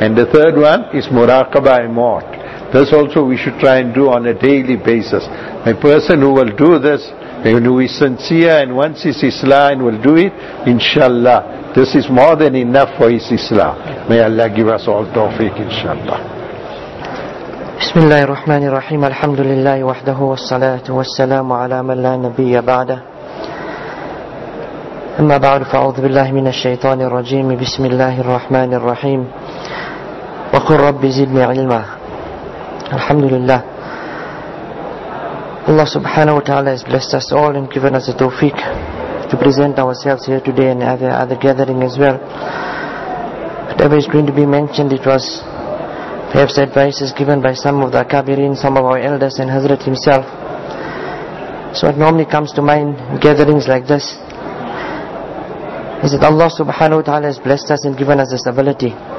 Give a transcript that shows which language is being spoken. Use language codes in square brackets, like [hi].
[en] And the third one is muraqabah imot. This also we should try and do on a daily basis. A person who will do this, and who is sincere, and once his Islam and will do it, inshallah, this is more than enough for his Islam. May Allah give us all tawfiq, inshallah. [ar] بسم الله الرحمن الرحيم الحمد لله وحده والصلاة والسلام على من لا نبي بعده أما بعد فأعوذ بالله من الشيطان الرجيم بسم الله الرحمن الرحيم وقل رب زدني علما الحمد لله [en] Allah subhanahu wa ta'ala has blessed us all and given us the tawfiq to present ourselves here today and at the other gathering as well. Whatever is going to be mentioned, it was perhaps advice is given by some of the Akabirin, some of our elders and Hazrat himself. So what normally comes to mind in gatherings like this is that Allah subhanahu wa ta'ala has blessed us and given us this ability.